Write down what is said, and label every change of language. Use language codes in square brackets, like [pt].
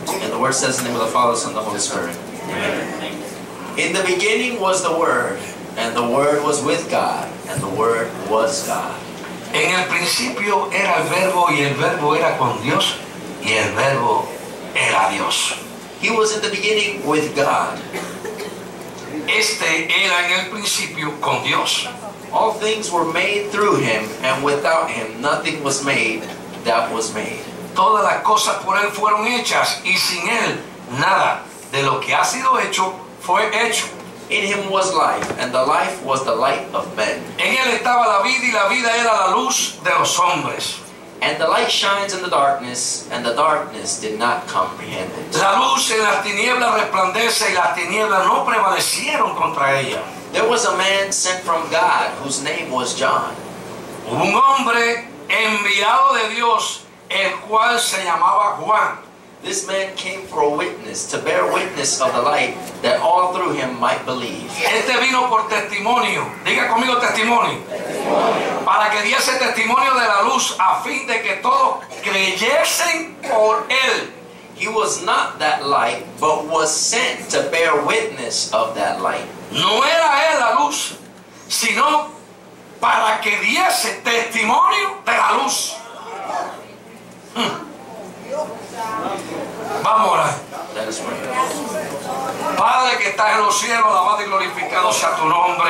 [en] And the Word says, in the name of the Father, Son, and the Holy Spirit. Amen. In the beginning was the Word, and the Word was with God, and the Word was God. [es] En el principio era el Verbo, y el Verbo era con Dios, y el Verbo era Dios. [en] He was in the beginning with God. [es] Este era en el principio con Dios. [en] All things were made through him, and without him nothing was made that was made. [es] Todas las cosas por él fueron hechas, y sin él nada de lo que ha sido hecho fue hecho. [en] In him was life, and the life was the light of men. [es] En él estaba la vida, y la vida era la luz de los hombres. [en] And the light shines in the darkness, and the darkness did not comprehend it. [es] La luz en las tinieblas resplandece, y las tinieblas no prevalecieron contra ella. [en] There was a man sent from God whose name was John. [es] Un hombre enviado de Dios, el cual se llamaba Juan. [en] This man came for a witness, to bear witness of the light, that all through him might believe. [es] Este vino por testimonio. Diga conmigo testimonio. Para que diese testimonio de la luz, a fin de que todos creyesen por él. [en] He was not that light, but was sent to bear witness of that light. [es] No era él la luz, sino para que diese testimonio de la luz. Vamos a orar. Padre que estás en los cielos, alabado y glorificado sea tu nombre.